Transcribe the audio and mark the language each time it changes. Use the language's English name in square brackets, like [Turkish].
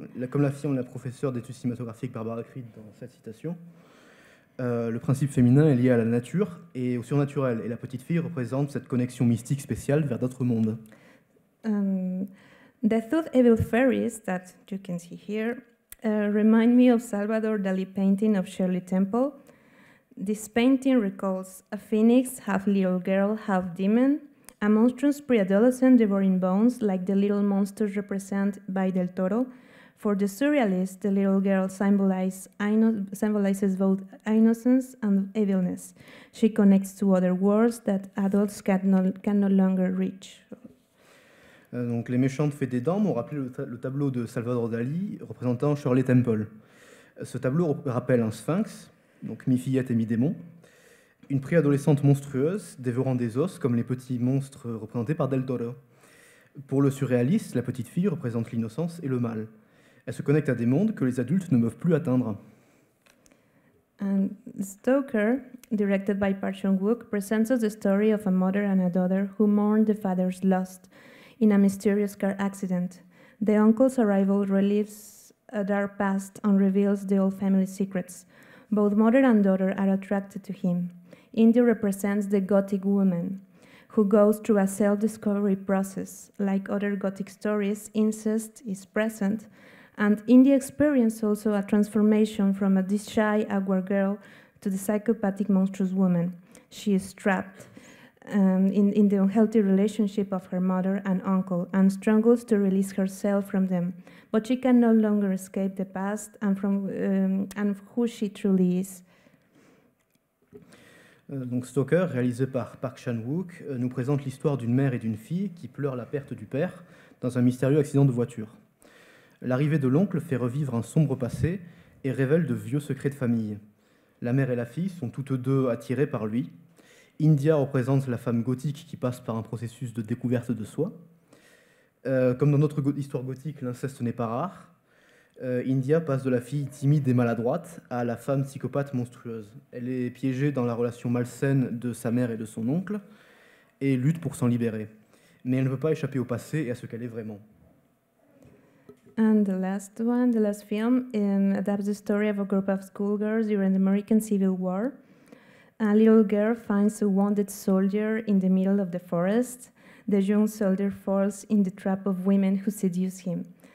[French] Comme l'affirme la professeure d'études cinématographiques Barbara Creed dans cette citation, le principe féminin est lié à la nature et au surnaturel, et la petite fille représente cette connexion mystique spéciale vers d'autres mondes. [English] The tooth evil fairies that you can see here remind me of Salvador Dali's painting of Shirley Temple. This painting recalls a phoenix, half little girl, half demon, a monstrous pre-adolescent devouring bones like the little monsters represented by Del Toro. For the surrealist, the little girl symbolizes both innocence and evilness. She connects to other worlds that adults can no longer reach. [French] Donc, les méchantes fées des dents m'ont rappelé le tableau de Salvador Dali représentant Shirley Temple. Ce tableau rappelle un sphinx, donc mi-fillette et mi-démon, une préadolescente monstrueuse dévorant des os comme les petits monstres représentés par Del Toro. Pour le surréaliste, la petite fille représente l'innocence et le mal. Elle se connecte à des mondes que les adultes ne peuvent plus atteindre. [English] And Stalker, directed by Park Chan-wook, presents us the story of a mother and a daughter who mourn the father's loss in a mysterious car accident. The uncle's arrival relives a dark past and reveals the old family secrets. Both mother and daughter are attracted to him. Indy represents the gothic woman who goes through a self-discovery process. Like other gothic stories, incest is present, and Indy experiences also a transformation from a shy, awkward girl to the psychopathic, monstrous woman. She is trapped in the unhealthy relationship of her mother and uncle and struggles to release herself from them. But she can no longer escape the past and from and who she truly is. [French] Donc Stalker, réalisé par Park Chan-wook, nous présente l'histoire d'une mère et d'une fille qui pleurent la perte du père dans un mystérieux accident de voiture. L'arrivée de l'oncle fait revivre un sombre passé et révèle de vieux secrets de famille. La mère et la fille sont toutes deux attirées par lui. India représente la femme gothique qui passe par un processus de découverte de soi. Comme dans notre histoire gothique, l'inceste n'est pas rare. India passe de la fille timide et maladroite à la femme psychopathe monstrueuse. Elle est piégée dans la relation malsaine de sa mère et de son oncle et lutte pour s'en libérer. Mais elle ne peut pas échapper au passé et à ce qu'elle est vraiment. [English] And the last one, the last film, adapts the story of a group of schoolgirls during the American Civil War. A little girl finds a wounded soldier in the middle of the forest. The young soldier falls in the trap of women who seduce him.